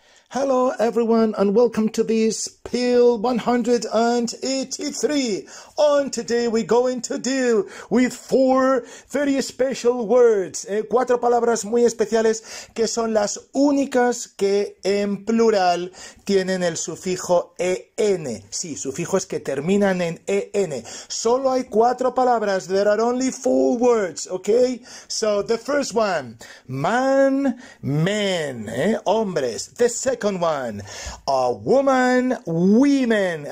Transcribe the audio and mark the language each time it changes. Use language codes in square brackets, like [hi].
[en] Hello, everyone, and welcome to the Spill 183. On today, we're going to deal with four very special words. [es] Cuatro palabras muy especiales que son las únicas que en plural tienen el sufijo en. Sí, sufijos que terminan en en. Solo hay cuatro palabras. [en] There are only four words, okay? So, the first one, man, men, hombres. The second one, a woman, women.